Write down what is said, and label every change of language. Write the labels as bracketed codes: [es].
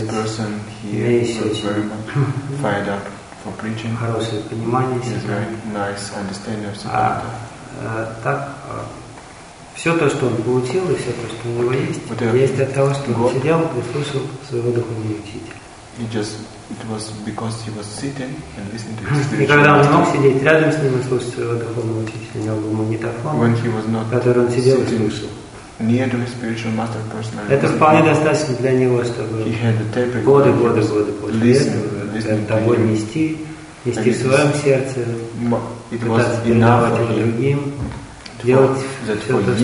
[en] This person, he was very fired up for preaching. [ru] Хорошее понимание. [en] He has very nice understanding of something. [ru] Так, все то, что он получил, и все то, что у него есть, whatever есть от того, что он сидел и слушал своего духовного учителя. [en] It was because he was sitting and listening to his spiritual master. [ru] И когда он мог сидеть рядом с ним и слушать своего духовного учителя, у него был магнитофон, который он сидел и слушал. [en] Near to his spiritual master personally. [ru] Это вполне достаточно для него, чтобы годы после этого того нести. Нести в своем сердце, пытаться передавать это другим, делать все то, что